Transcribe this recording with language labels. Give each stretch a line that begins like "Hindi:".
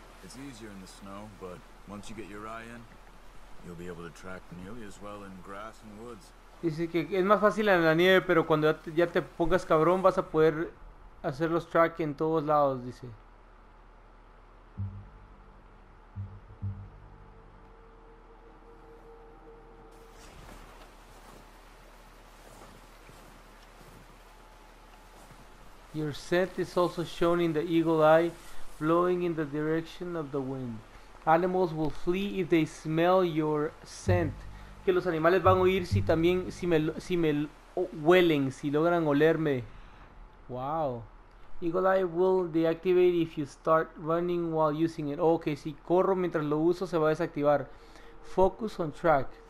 English: It's easier in the snow, but once you get your eye in, you'll be able to track nearly as well in grass and woods.
Spanish: Dice que es más fácil en la nieve, pero cuando ya te pongas cabrón vas a poder hacer los track en todos lados, dice.
English: Your scent is also shown in the eagle eye, blowing in the direction of the wind. Animals will flee if they smell your scent.
Spanish: Que los animales van a huir si también si me huelen, si logran olerme. Wow.
English: Eagle eye will deactivate if you start running while using it.
Spanish: Okay, si corro mientras lo uso se va a desactivar.
English: Focus on track.